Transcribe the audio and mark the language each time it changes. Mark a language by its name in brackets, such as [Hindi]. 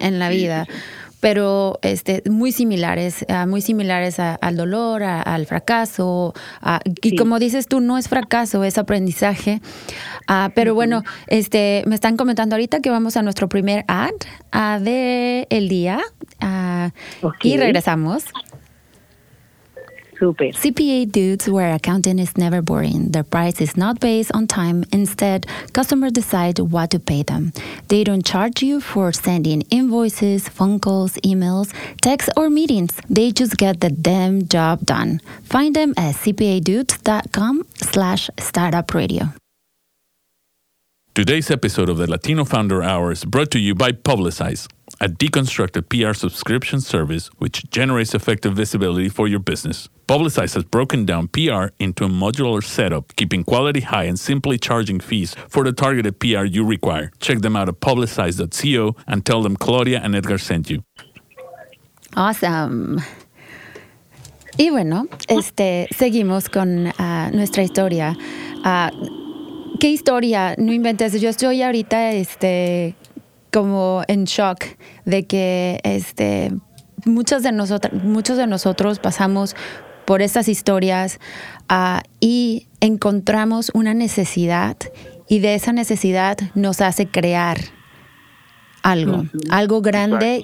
[Spanish] en la vida, pero muy similares al dolor, al fracaso, y como dices tú, no es fracaso, es aprendizaje. Pero bueno, me están comentando ahorita que vamos a nuestro primer ad de el día. Y regresamos. Super. [English] CPA dudes, where accounting is never boring. Their price is not based on time. Instead, customers decide what to pay them. They don't charge you for sending invoices, phone calls, emails, texts, or meetings. They just get the damn job done. Find them at cpadudes.com/startupradio. Today's episode of the Latino Founder Hour is brought to you by Publicize, a deconstructed PR subscription service which generates effective visibility for your business. Publicize has broken down PR into a modular setup, keeping quality high and simply charging fees for the targeted PR you require. Check them out at publicize.co and tell them Claudia and Edgar sent you. Awesome. [Spanish] Y bueno, seguimos con nuestra historia. ¿Qué historia? No inventes. Yo estoy ahorita como en shock de que muchos de nosotros pasamos por estas historias y encontramos una necesidad, y de esa necesidad nos hace crear algo, algo grande.